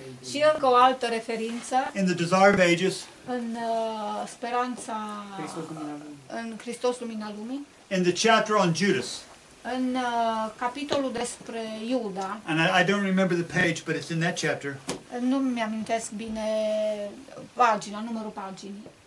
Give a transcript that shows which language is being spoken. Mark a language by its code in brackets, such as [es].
[ro] Și încă o altă referință. [en] In the Desire of Ages. [ro] În speranța în Hristos Lumina Lumii. [en] In the chapter on Judas. [ro] În capitolul despre Iuda. [en] And I don't remember the page, but it's in that chapter. [ro] Nu mi-amintesc bine pagina, numărul paginii.